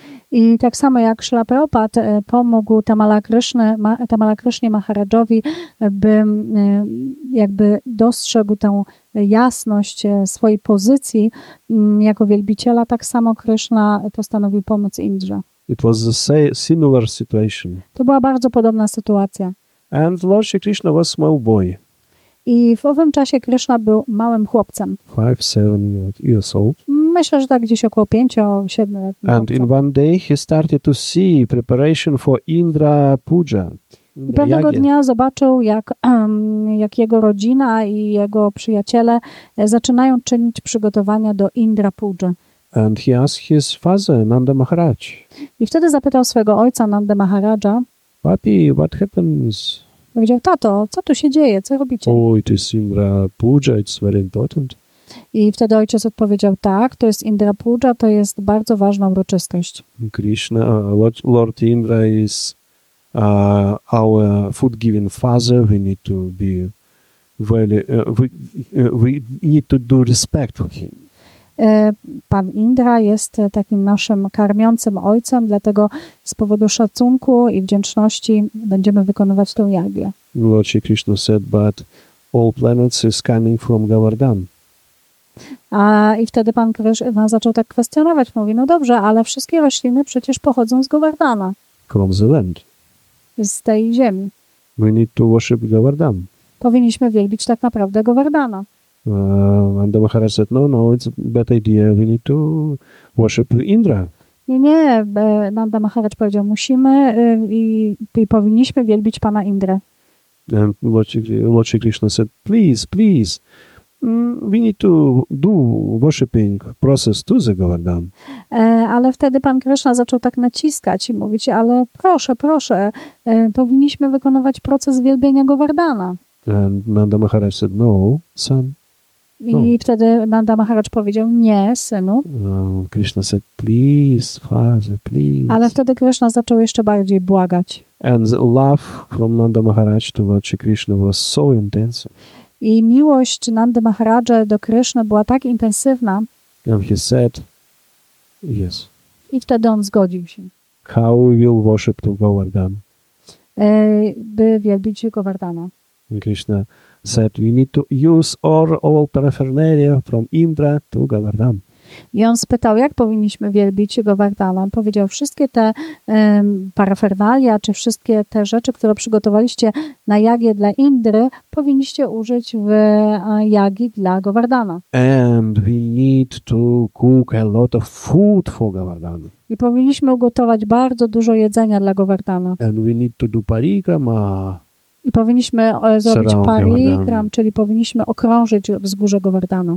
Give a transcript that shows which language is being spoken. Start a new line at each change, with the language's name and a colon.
Polish: I tak samo jak Srila Prabhupada pomógł Tamala Krishna Maharajowi, by jakby dostrzegł tę jasność swojej pozycji jako wielbiciela, tak samo Krishna postanowił pomóc Indrze.
English: It was the similar situation.
Polish: To była bardzo podobna sytuacja.
English: And Lord Krishna was small boy.
Polish: I w owym czasie Krishna był małym chłopcem.
English: 5-7 years old.
Polish: Myślę, że tak gdzieś około 5-7 lat.
English: And in one day he started to see preparation for Indra puja.
Polish: I pewnego dnia zobaczył, jak jego rodzina i jego przyjaciele zaczynają czynić przygotowania do Indra puja.
English: And he asked his father, Nanda Maharaj.
Polish: I wtedy zapytał swojego ojca, Nanda Maharaja.
English: Papi, what happens?
Polish: Powiedział, tato, co tu się dzieje? Co robicie?
English: Oh, it is Indra Puja, it's very important.
Polish: I wtedy ojciec odpowiedział, tak, to jest Indra Puja, to jest bardzo ważna uroczystość.
English: Krishna, Lord Indra is our food-giving father. We need to be very, we need to do respect for him.
Polish: Pan Indra jest takim naszym karmiącym ojcem, dlatego z powodu szacunku i wdzięczności będziemy wykonywać tę jagę.
English: Lord Shri Krishna said, but all planets is coming from Govardhan.
Polish: A i wtedy pan Krishna zaczął tak kwestionować, mówi, no dobrze, ale wszystkie rośliny przecież pochodzą z Govardhana.
English: From the land.
Polish: Z tej ziemi.
English: We need to worship Govardhan.
Polish: Powinniśmy wielbić tak naprawdę Govardhana.
English: And the Maharaj said, no, it's a bad idea, we need to worship Indra.
Polish: Nie, Nanda Maharaj powiedział, musimy i powinniśmy wielbić Pana Indrę.
English: And Lord Shri Krishna said, please, we need to do worshiping process to the Govardhan.
Polish: Ale wtedy Pan Krishna zaczął tak naciskać i mówić, ale proszę, powinniśmy wykonywać proces wielbienia Govardhana.
English: And Nanda Maharaj said, no, son.
Polish: I wtedy Nanda Maharaj powiedział, nie, synu.
English: Krishna said, please, father, please.
Polish: Ale wtedy Krishna zaczął jeszcze bardziej błagać.
English: And the love from Nanda Maharaj towards Krishna was so intense.
Polish: I miłość Nandy Maharaja do Krishna była tak intensywna.
English: And he said, yes.
Polish: I wtedy on zgodził się.
English: How will worship to Govardhan?
Polish: By wielbić Govardhana.
English: Krishna said, we need to use all paraphernalia from Indra to Govardhan.
Polish: I on spytał, jak powinniśmy wielbić Govardhana. Powiedział, wszystkie te parafernalia, czy wszystkie te rzeczy, które przygotowaliście na jagię dla Indry, powinniście użyć w jagi dla Govardhana.
English: And we need to cook a lot of food for Govardhana.
Polish: I powinniśmy ugotować bardzo dużo jedzenia dla Govardhana.
English: And we need to do parikrama.
Polish: I powinniśmy zrobić parikram, czyli powinniśmy okrążyć wzgórze Govardhanu.